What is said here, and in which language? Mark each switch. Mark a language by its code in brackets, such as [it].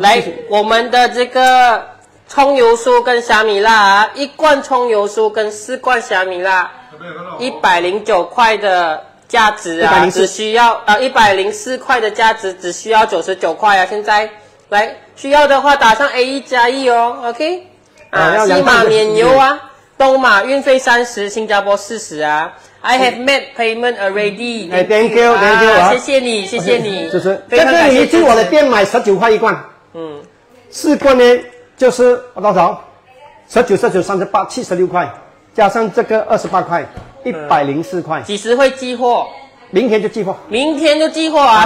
[zh] 来，我们的这个葱油酥跟虾米辣啊，一罐葱油酥跟四罐虾米辣，109块的。价值啊，只需要104块的价值，只需要99块啊！现在来需要的话，打上 A 一加一哦 ，OK？啊，西马免邮啊，东马运费30，新加坡40啊。 [en] I have made payment already. Thank you, thank you [zh] 谢谢你，谢谢你。 Okay, 就是，这个你进我的店买19块一罐，嗯，四罐呢就是多少？19、19、38、76块，加上这个28块。104块，几时会寄货？明天就寄货。明天就寄货啊！